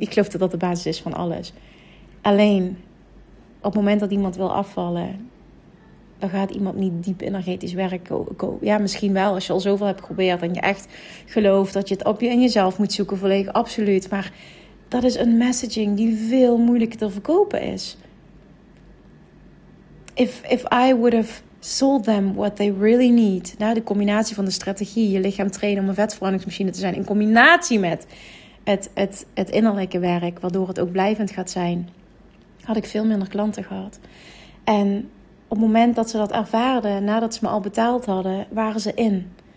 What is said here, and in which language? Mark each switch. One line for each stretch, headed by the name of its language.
Dutch: Ik geloof dat dat de basis is van alles. Alleen, op het moment dat iemand wil afvallen... dan gaat iemand niet diep energetisch werk kopen. Ja, misschien wel als je al zoveel hebt geprobeerd... en je echt gelooft dat je het op je in jezelf moet zoeken volledig. Absoluut. Maar dat is een messaging die veel moeilijker te verkopen is.
English: If I would have sold them what they really need...
Dutch: Nou, de combinatie van de strategie, je lichaam trainen om een vetverbrandingsmachine te zijn... in combinatie met het innerlijke werk... waardoor het ook blijvend gaat zijn... had ik veel minder klanten gehad. En... op het moment dat ze dat ervaarden, nadat ze me al betaald hadden, waren ze in.